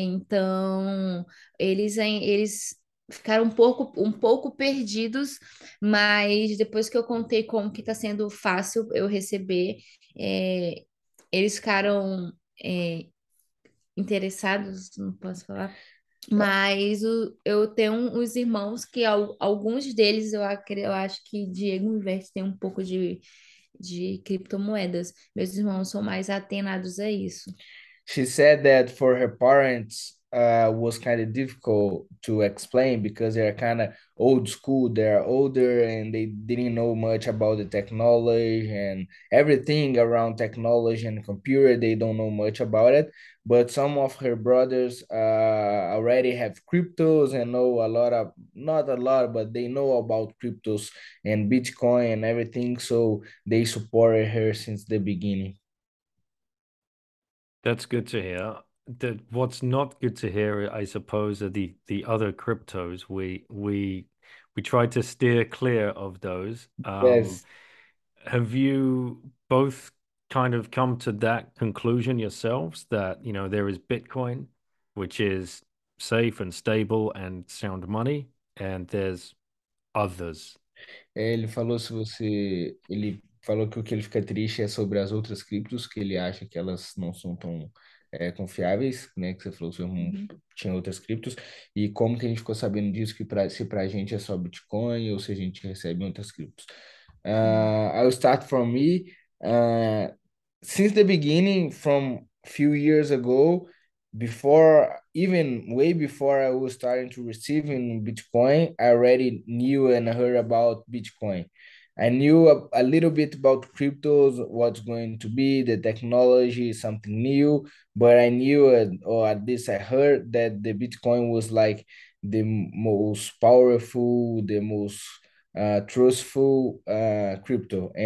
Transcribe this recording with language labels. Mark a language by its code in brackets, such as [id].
[pt] Então eles ficaram um pouco perdidos, mas depois que eu contei como que está sendo fácil eu receber, eles ficaram interessados, não posso falar. Mas eu tenho uns irmãos que alguns deles eu acho que Diego Invest tem um pouco de criptomoedas. Meus irmãos são mais atentados a isso. [en] She said that for her parents, was kind of difficult to explain because they're kind of old school. They're older and they didn't know much about the technology and everything around technology and computer. They don't know much about it. But some of her brothers already have cryptos and know a lot of, not a lot, but they know about cryptos and Bitcoin and everything. So they supported her since the beginning. That's good to hear. That what's not good to hear, I suppose, are the other cryptos. We try to steer clear of those. Yes. Have you both kind of come to that conclusion yourselves that, you know, there is Bitcoin, which is safe and stable and sound money, and there's others? [pt] Ele falou que o que ele fica triste é sobre as outras criptos, que ele acha que elas não são tão confiáveis, né? Que você falou que tinha outras criptos, e como que a gente ficou sabendo disso, que se para a gente é só Bitcoin ou se a gente recebe outras criptos. [en] I'll start from me. Since the beginning, from few years ago, way before I was starting to receiving Bitcoin, I already knew and heard about Bitcoin. I knew a little bit about cryptos, what's going to be the technology, something new, but I knew it, or at least I heard that the Bitcoin was like the most powerful, the most trustful crypto.